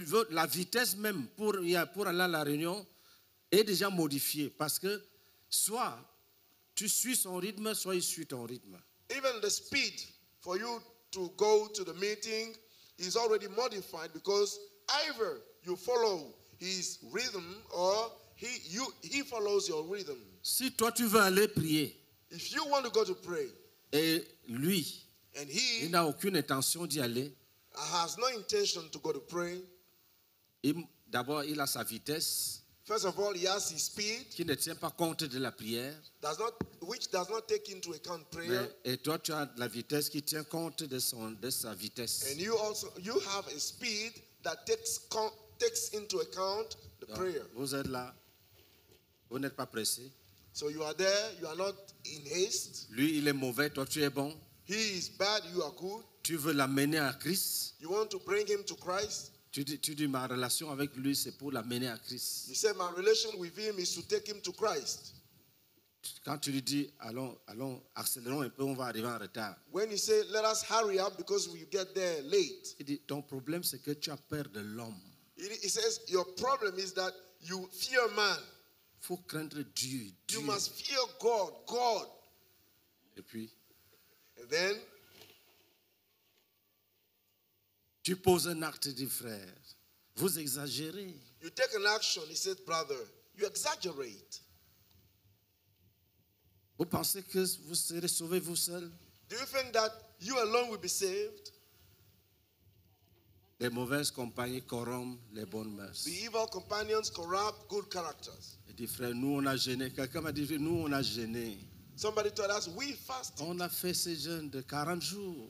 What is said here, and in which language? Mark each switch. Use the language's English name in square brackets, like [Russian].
[French] La vitesse même pour aller à la réunion est déjà modifiée parce que soit tu suis son rythme, soit il suit ton rythme. [English] Even the speed for you to go to the meeting is already modified because either you follow his rhythm or he follows your rhythm. [French] Si toi tu veux aller prier, [English] if you want to go to pray, [French] et lui, [English] and he, [French] il n'a aucune intention d'y aller. [English] Has no intention to go to pray. [French] D'abord, il a sa vitesse. [English] First of all, he has his speed. [French] Qui ne tient pas compte de la prière. [English] Which does not take into account prayer. [French] Et toi, tu as la vitesse qui tient compte de sa vitesse. [English] And you have a speed that takes into account the prayer. [French] Vous êtes là. Vous n'êtes pas pressé. [English] So you are there. You are not in haste. [French] Lui, il est mauvais. Toi, tu es bon. [English] He is bad. You are good. [French] Tu veux l'amener à Christ? [English] You want to bring him to Christ? [French] Tu dis ma relation avec lui c'est pour l'amener à Christ. [English] You say my relation with him is to take him to Christ. [French] Quand tu lui dis allons accélérons un peu on va arriver en retard. [English] When you say let us hurry up because we get there late. [French] Il dit ton problème c'est que tu as peur de l'homme. [English] He says your problem is that you fear man. [French] Faut craindre Dieu. [English] You must fear God. [French] Et puis? [English] And then? [French] Tu poses un acte, dit frère. Vous exagérez. [English] You take an action, he said, brother. You exaggerate. [French] Vous pensez que vous serez sauvé vous seul? [English] Do you think that you alone will be saved? [French] Les mauvaises compagnies corrompent les bonnes mœurs. [English] The evil companions corrupt good characters. [French] Et dit frère, nous on a gêné. Quelqu'un m'a dit, nous on a gêné. [English] Somebody told us we fasted. [French] On a fait ce jeûne de 40 jours.